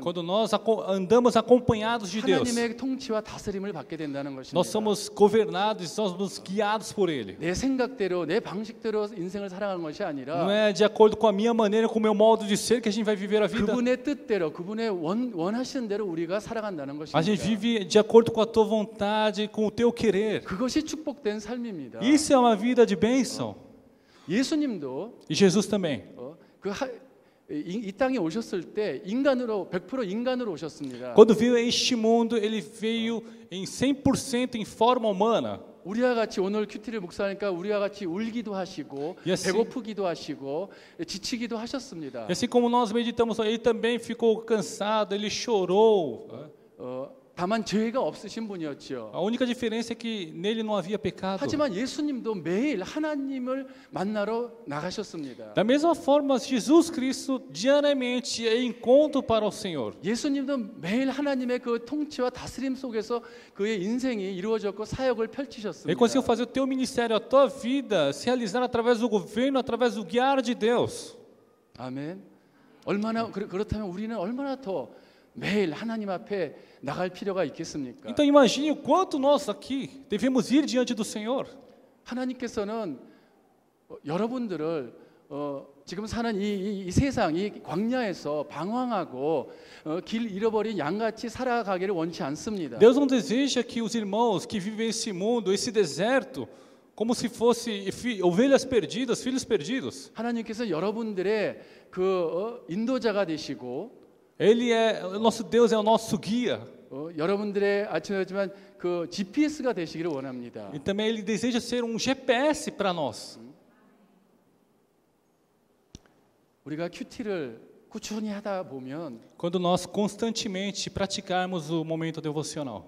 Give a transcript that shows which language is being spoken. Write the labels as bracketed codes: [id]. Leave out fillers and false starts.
[pt] Quando nós andamos acompanhados de Deus [ko] 하나님의 통치와 다스림을 받게 된다는 것입니다. [pt] Nós somos governados, somos guiados por ele. [ko] 내 생각대로, 내 방식대로 인생을 살아가는 것이 아니라 [pt] Não é de acordo com a minha maneira, com o meu modo de ser que a gente vai viver a vida. [ko] 그분의 뜻대로, 그분의 원하시는 대로 우리가 살아간다는 것입니다. [pt] A gente vive de acordo com a tua vontade, com o teu querer. [ko] 그것이 축복된 삶입니다. [pt] Isso é uma vida de bênção. [ko] 예수님도 [pt] e Jesus também. [ko] 이 땅에 오셨을 때 인간으로 100% 인간으로 오셨습니다. [pt] Quando veio a este mundo, ele veio em 100% em forma humana. [ko] 우리와 같이 오늘 큐티를 묵상하니까 우리와 같이 울기도 하시고 [pt] e assim, [ko] 배고프기도 하시고 지치기도 하셨습니다. [pt] E assim como nós meditamos, ele também ficou cansado, ele chorou. [ko] 다만 죄가 없으신 분이었죠. [pt] A única diferença é que nele não havia pecado. [ko] 하지만 예수님도 매일 하나님을 만나러 나가셨습니다. [pt] Da mesma forma, Jesus Cristo diariamente é encontro para o Senhor. [ko] 예수님도 매일 하나님의 그 통치와 다스림 속에서 그의 인생이 이루어졌고 사역을 펼치셨습니다. [pt] Ele conseguiu fazer o teu ministério, a tua vida se realizar através do governo, através do guiar de Deus. [ko] 아멘. 얼마나 그렇다면 우리는 얼마나 더 매일 하나님 앞에 나갈 필요가 있겠습니까? [pt] Então imagine o quanto nós aqui devemos ir diante do Senhor. [ko] 하나님께서는 여러분들을 지금 사는 이 세상, 이 광야에서 방황하고 길 잃어버린 양같이 살아가기를 원치 않습니다. [pt] Deus não deseja que os irmãos que vivem esse mundo, esse deserto, como se fosse ovelhas perdidas, filhos perdidos. [ko] 하나님께서 여러분들의 그 인도자가 되시고 [pt] Ele é nosso Deus, é o nosso guia. [ko] 여러분들의 아침이지만 그 GPS가 되시기를 원합니다. [pt] E também ele deseja ser GPS para nós. [ko] 우리가 큐티를 꾸준히 하다 보면 [pt] Quando nós constantemente praticarmos o momento devocional.